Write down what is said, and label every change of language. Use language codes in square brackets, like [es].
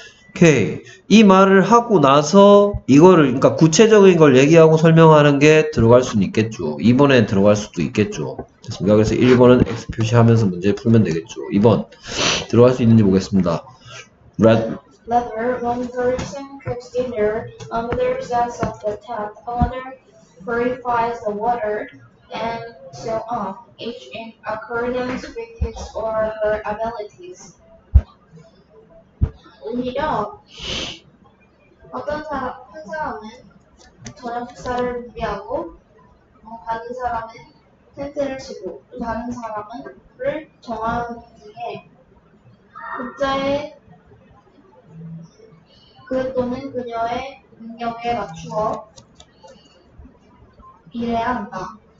[ko] 오케이. 이 말을 하고 나서 이거를 그러니까 구체적인 걸 얘기하고 설명하는 게 들어갈 수는 있겠죠. 2번에 들어갈 수도 있겠죠. 됐습니까? 그래서 1번은 X 표시하면서 문제 풀면 되겠죠. 2번 들어갈 수 있는지 보겠습니다. [en] Rather, one person cooks dinner, another sets up the tap, another purifies the water, and so on, each in accordance with his or her abilities. [ko] 오히려 어떤 사람, 한 사람은 저녁 식사를 준비하고 다른 사람은 텐트를 치고 다른 사람은 를 정하는 등의 각자의 그 또는 그녀의 능력에 맞추어 일해야 한다.